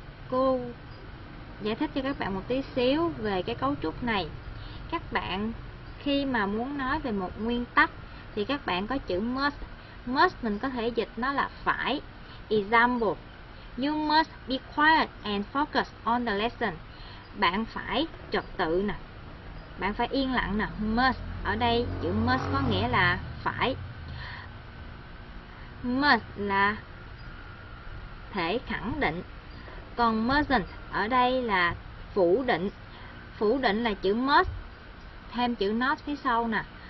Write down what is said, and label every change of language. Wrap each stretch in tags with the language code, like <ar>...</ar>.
<vi>Cô giải thích cho các bạn một tí xíu về cái cấu trúc này. Các bạn khi mà muốn nói về một nguyên tắc thì các bạn có chữ must. Must mình có thể dịch nó là phải.</vi> <en>Example: You must be quiet and focus on the lesson.</en> <vi>Bạn phải trật tự nè. Bạn phải yên lặng nè. Must. Ở đây chữ must có nghĩa là phải. Must là thể khẳng định. Còn mustn't ở đây là phủ định. Phủ định là chữ must thêm chữ not phía sau nè.</vi>